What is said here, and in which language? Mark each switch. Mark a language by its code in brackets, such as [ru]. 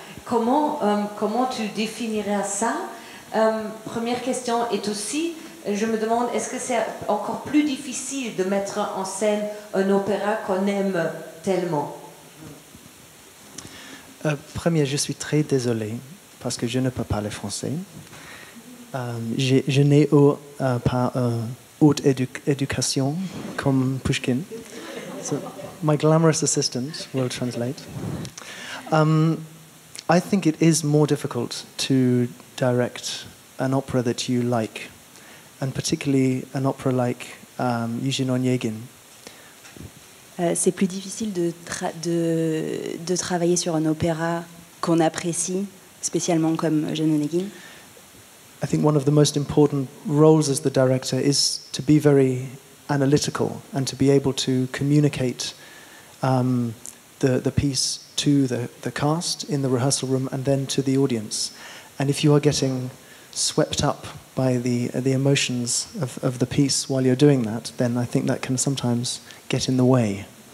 [fr] Comment tu définirais ça? Première question est aussi, je me demande, est-ce que c'est encore plus difficile de mettre en scène un opéra qu'on aime tellement? Premier, je suis très désolé parce que je ne peux parler français. Je n'ai pas haute éducation comme Pushkin. [en] So, my glamorous assistant will translate. I think it is more difficult to direct an opera that you like, and particularly an opera like Eugène Onegin. [fr] C'est plus difficile de travailler sur un opéra qu'on apprécie, spécialement comme Eugène Onegin. [en] I think one of the most important roles as the director is to be very analytical and to be able to communicate the piece to the cast in the rehearsal room and then to the audience. And if you are getting swept up by the emotions of the piece while you're doing that, then I think that can sometimes get in the way.